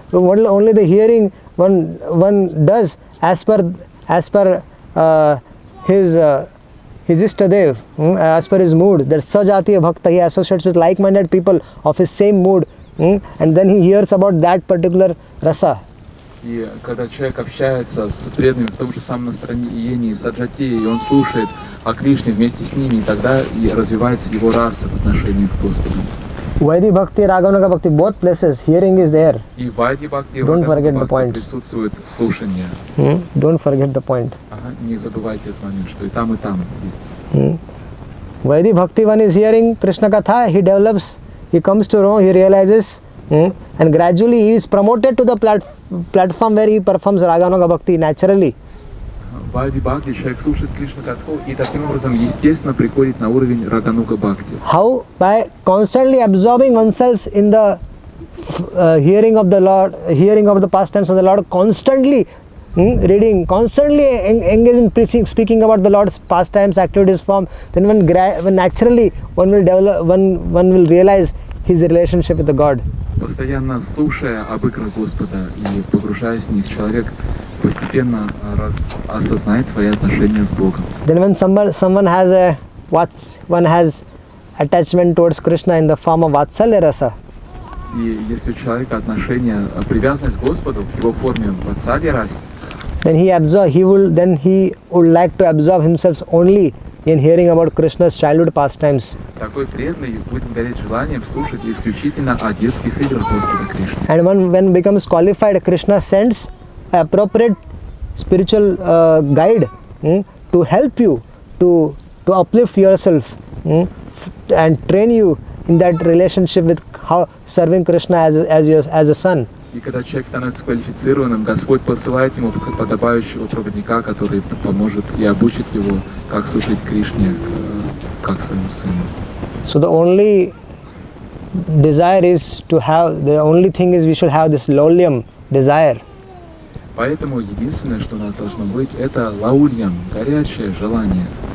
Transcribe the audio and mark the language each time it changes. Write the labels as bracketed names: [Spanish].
[English] Only the hearing one does as per his ishtadev, as per his mood. That sajatiya bhakta, he associates with like-minded people of his same mood, and then he hears about that particular rasa. [Russian] И когда человек общается с преданными в том же самом настроении саджатии, и он слушает о Кришне вместе с ними, тогда и развивается его раса в отношении с Господом. [English] Vaidhi bhakti, Raghavanaga bhakti, both places, hearing is there. [Russian] И Vaidhi bhakti, Raghavanaga bhakti присутствует слушание. [English] Don't forget the point. [Russian] Не забывайте этот момент, что и там есть. [English] Vaidhi bhakti, one is hearing Krishna katha, he develops, he comes to know, he realizes, and gradually he is promoted to the platform where he performs Raghavanaga bhakti naturally. [Russian] Vaidhi bhakti, человек слушает Кришна катху и таким образом естественно приходит на уровень Рагануга бхакти. [English] How? By constantly absorbing oneself in the hearing of the Lord, hearing of the pastimes of the Lord, constantly reading, constantly engaged in preaching, speaking about the Lord's pastimes, activities, form, then one will realize his relationship with the God. [Russian] Постоянно слушая об икрах Господа и погружаясь в них, человек постепенно осознает свои отношения с Богом. [English] Then when someone has a what's one has attachment towards Krishna in the form of vatsalya rasa. [Russian] И если у человека отношение привязанность к Господу в его форме vatsalya rasa. [English] Then he would like to absorb himself only in hearing about Krishna's childhood pastimes. [Russian] Такой преданный будет гореть желанием слушать исключительно о детских играх Господа Кришны. [English] And when becomes qualified, Krishna sends appropriate spiritual guide to help you to uplift yourself and train you in that relationship with how serving Krishna as a son. [Russian] И когда человек становится квалифицированным, Господь посылает ему подобающего проводника, который поможет и обучит его, как служить Кришне, как своему сыну. [English] So the only desire is to have, the only thing is we should have this lauliyam desire. [Russian] Поэтому единственное, что у нас должно быть, это лаульям, горячее желание.